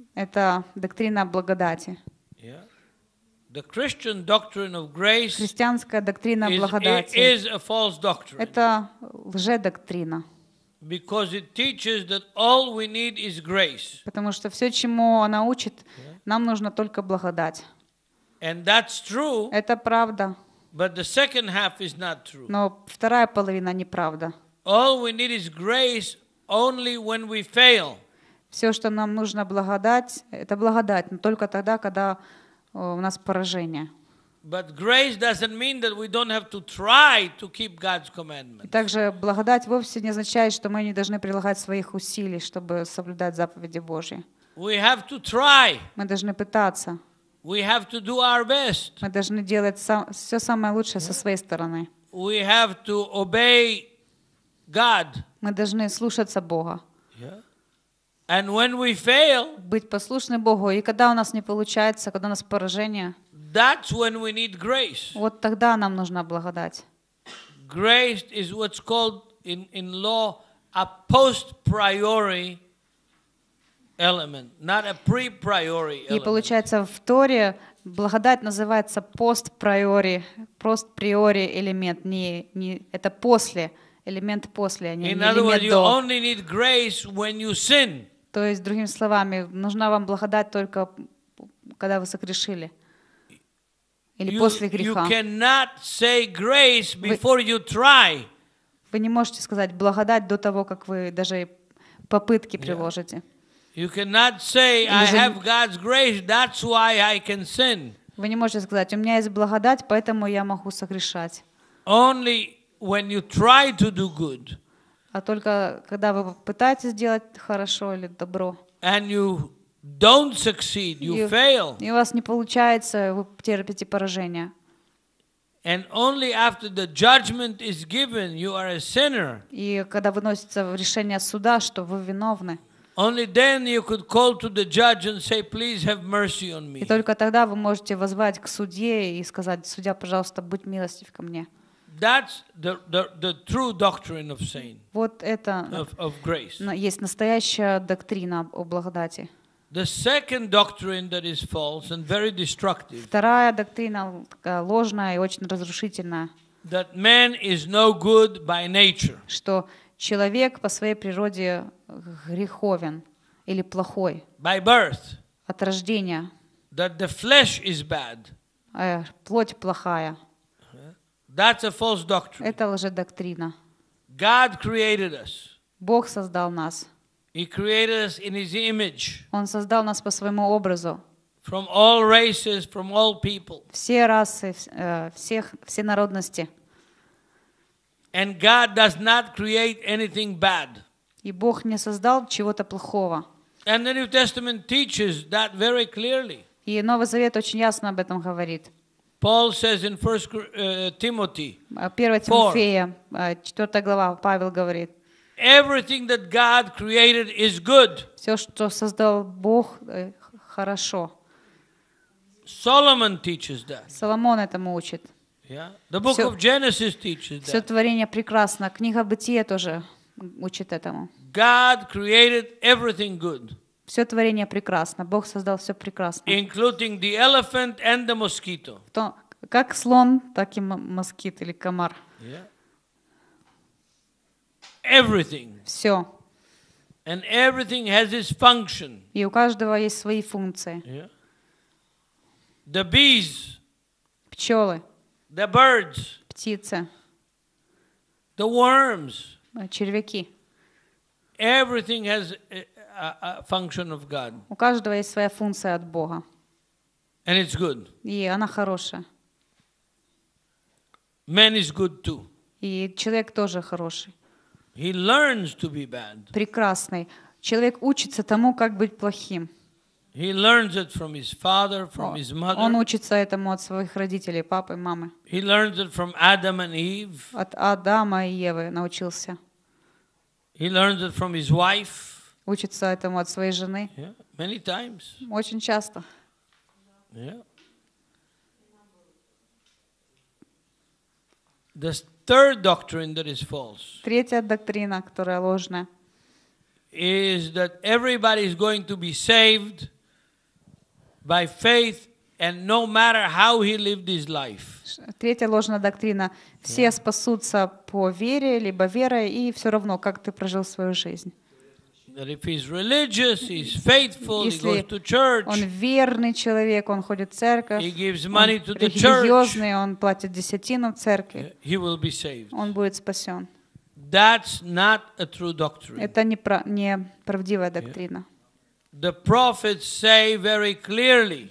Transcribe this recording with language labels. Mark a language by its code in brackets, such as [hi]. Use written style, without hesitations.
[ru] Это доктрина благодати. [en] Yeah. The Christian doctrine of grace. [ru] Христианская доктрина благодати. [en] Is a false doctrine. [ru] Это лжедоктрина. [en] Because it teaches that all we need is grace. [ru] Потому что все, чему она учит, нам нужно только благодать. [en] And that's true. [ru] Это правда. [en] But the second half is not true. [ru] Но вторая половина неправда. [en] All we need is grace only when we fail. [ru] Все, что нам нужно благодать, это благодать, но только тогда, когда у нас поражение. [en] But grace doesn't mean that we don't have to try to keep God's commandments. [ru] Также благодать вовсе не означает, что мы не должны прилагать своих усилий, чтобы соблюдать заповеди Божьи. [en] We have to try. [ru] Мы должны пытаться. [en] We have to do our best. [ru] Мы должны делать все самое лучшее со своей стороны. [en] we have to obey God. [ru] Мы должны слушаться Бога. [en] And when we fail, [ru] быть послушны Богу, и когда у нас не получается, когда у нас поражение, [en] that's when we need grace. [ru] Вот тогда нам нужна благодать. [en] Grace is what's called in law a post priori element, not a pre priori element. [ru] И получается в Торе благодать называется post priori, post priori элемент, не это после, элемент после, а не элемент до. [en] In other words, you only need grace when you sin. [ru] То есть, другими словами, нужна вам благодать только, когда вы согрешили. Или после греха. [en] You cannot say grace before you try. [ru] Вы не можете сказать благодать до того, как вы даже попытки приложите. [en] You cannot say, I have God's grace, that's why I can sin. [ru] Вы не можете сказать, у меня есть благодать, поэтому я могу согрешать. [en] Only when you try to do good. [ru] А только когда вы пытаетесь сделать хорошо или добро. [en] And you don't succeed, you fail. [ru] И у вас не получается, вы терпите поражение. [en] And only after the judgment is given, you are a sinner. [ru] И когда выносится решение суда, что вы виновны. [en] Only then you could call to the judge and say, please have mercy on me. [ru] И только тогда вы можете воззвать к судье и сказать, судья, пожалуйста, будь милостив ко мне. [en] That's the true doctrine of saint. [ru] Вот это [en] of grace. [ru] Есть настоящая доктрина о благодати. [en] The second doctrine that is false and very destructive. [ru] Вторая доктрина ложная и очень разрушительная. [en] That man is no good by nature. [ru] Что человек по своей природе греховен или плохой. [en] By birth. [ru] От рождения. [en] That the flesh is bad. [ru] Плоть плохая. [en] That's a false doctrine. [ru] Это лжедоктрина. [en] God created us. [ru] Бог создал нас. [en] He created us in His image. [ru] Он создал нас по своему образу. [en] From all races, from all people. [ru] Все расы, все народности. [en] And God does not create anything bad. [ru] И Бог не создал чего-то плохого. [en] And the New Testament teaches that very clearly. [ru] И Новый Завет очень ясно об этом говорит. [en] Paul says in 1 Timothy 4, everything that God created is good. [ru] Все, что создал Бог, хорошо. [en] Solomon teaches that. [ru] Соломон этому учит. [en] Yeah. The book of Genesis teaches that. [ru] Все творение прекрасно. Книга Бытия тоже учит этому. [en] God created everything good. [ru] Все творение прекрасно. Бог создал все прекрасно. [en] Including the elephant and the mosquito. [ru] То, как слон, так и москит или комар. [en] Yeah. Everything. [ru] Все. [en] And everything has its function. [ru] И у каждого есть свои функции. [en] Yeah. The bees. [ru] Пчелы. [en] The birds. [ru] Птицы. [en] The worms. [ru] Червяки. [en] Everything has a function of God. [ru] У каждого есть своя функция от Бога. [en] And it's good. [ru] И она хорошая. [en] Man is good too. [ru] И человек тоже хороший. [en] He learns to be bad. [ru] Прекрасный. Человек учится тому, как быть плохим. [en] He learns it from his father, from his mother. [ru] Он учится этому от своих родителей, папы, мамы. [en] He learns it from Adam and Eve. [ru] От Адама и Евы научился. [en] He learns it from his wife. [ru] Учится этому от своей жены. [en] Yeah, many times. [ru] Очень часто. [en] Yeah. The third doctrine that is false. [ru] Третья доктрина, которая ложная. [en] Is that everybody is going to be saved by faith and no matter how he lived his life. [ru] Третья ложная доктрина. Все спасутся по вере, либо верой, и все равно, как ты прожил свою жизнь. [en] That if he's religious, he's faithful, he goes to church. [ru] Он верный человек, он ходит в церковь. [en] He gives money to the church. [ru] Он религиозный, он платит десятину церкви. [en] He will be saved. [ru] Он будет спасен. [en] That's not a true doctrine. [ru] Это не правдивая доктрина. [en] Yeah. The prophets say very clearly.